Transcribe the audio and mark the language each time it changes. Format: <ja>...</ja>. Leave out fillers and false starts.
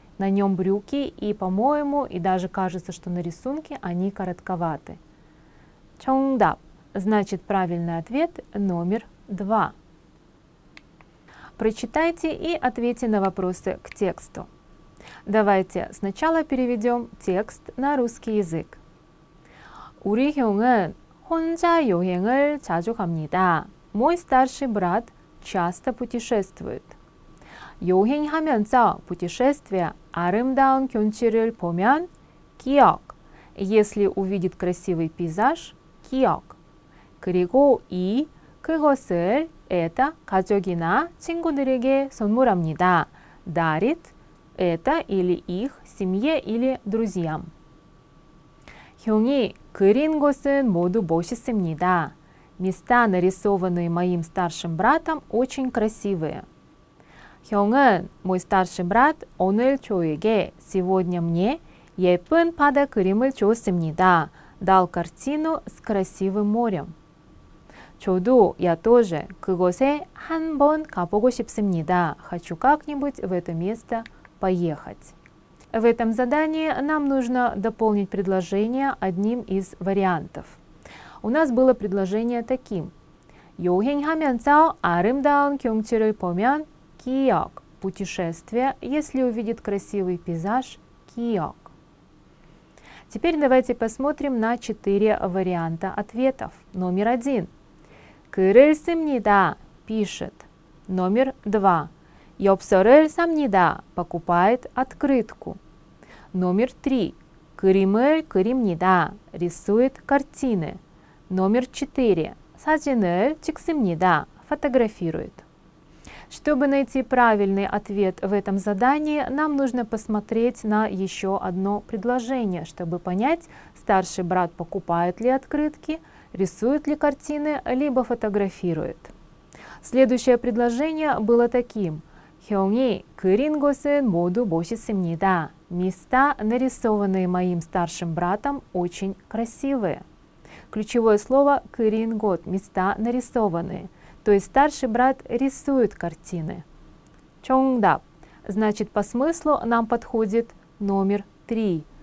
<ru>На нем брюки, и, по-моему, и даже кажется, что на рисунке они коротковаты. Чондап. Значит, правильный ответ номер 2. Прочитайте и ответьте на вопросы к тексту. Давайте сначала переведем текст на русский язык.</ru> <ko>우리 형은 혼자 여행을 자주 갑니다.</ko> <ru>Мой старший брат часто путешествует.</ru> <ko>여행하면서 путешествие 아름다운 경치를 보면 기억.</ko> <ru>Если увидит красивый пейзаж, 기억.</ru> <ko>그리고 이 그것을 это 가족이나 친구들에게 선물합니다.</ko> <ru>Дарит это или их семье или друзьям.</ru> <ko>형이 그린 것은 모두 멋있습니다.</ko> <ru>Места, нарисованные моим старшим братом, очень красивые.</ru> <ko>형은</ko> <ru>мой старший брат</ru> <ko>오늘 저에게</ko> <ru>сегодня мне</ru> <ko>예쁜 바다 그림을 줬습니다.</ko> <ru>Дал картину с красивым морем.</ru> <ko>저도</ko> <ru>я тоже</ru> <ko>그곳에 한번 가보고 싶습니다.</ko> <ru>Хочу как-нибудь в это место поехать. В этом задании нам нужно дополнить предложение одним из вариантов. У нас было предложение таким.</ru> <ko>여행하면서 아름다운 경치를 보면 기억.</ko> <ru>Путешествие, если увидит красивый пейзаж, 기억. Теперь давайте посмотрим на 4 варианта ответов. Номер 1.</ru> <ko>글을 씁니다.</ko> <ru>Пишет. Номер 2.</ru> <ko>엽서를 삽니다.</ko> <ru>Покупает открытку. Номер 3.</ru> <ko>그림을 그립니다.</ko> <ru>Рисует картины. Номер 4.</ru> <ko>사진을 찍습니다.</ko> <ru>Фотографирует. Чтобы найти правильный ответ в этом задании, нам нужно посмотреть на еще одно предложение, чтобы понять, старший брат покупает ли открытки, рисует ли картины, либо фотографирует. Следующее предложение было таким.</ru> <ko>형이 그린 것은 모두 멋있습니다.</ko> <ru>Места, нарисованные моим старшим братом, очень красивые. Ключевое слово «кырин год» – места нарисованные. То есть старший брат рисует картины. Чондап. Значит, по смыслу нам подходит номер 3.</ru>